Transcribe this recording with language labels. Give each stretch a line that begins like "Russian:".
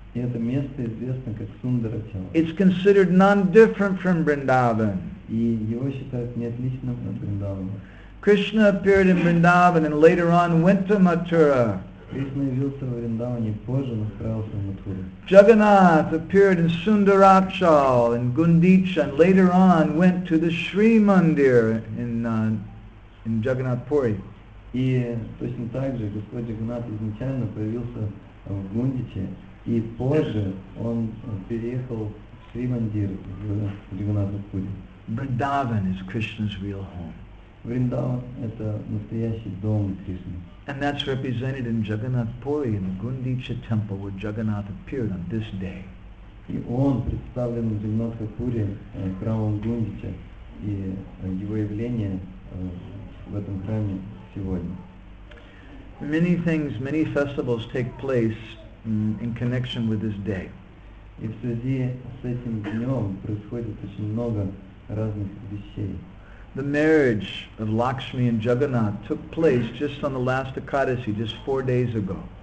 Russian: И это место известно как Сундарачала.
English: It's considered non-different from Vrindavan.
Russian: И его считают неотличным от Вриндавана.
English: Krishna appeared in Vrindavan and later on went to Mathura.
Russian: Кришна явился в Вриндаване, позже направился в Матхуру.
English: Jagannath appeared in Sundarachal and Gundicha and later on went to the Sri Mandir in Jagannath Puri.
Russian: И точно так же Господь Джагнат изначально появился в Гундиче, и позже он переехал в Шри Мандир в Джагнат Пури.
English: Vrindavan is Krishna's real home.
Russian: Vrindavan – это настоящий дом Кришны.
English: And that's represented in Jagannath Puri in the Gundicha temple where Jagannath appeared on this day.
Russian: И он представлен в Jagannath Puri, храмом Гундича, и его явление в этом храме сегодня.
English: Many things, many festivals take place in connection with this day.
Russian: И в связи с этим днем происходит очень много разных вещей.
English: The marriage of Lakshmi and Jagannath took place just on the last Ekadasi, just 4 days ago.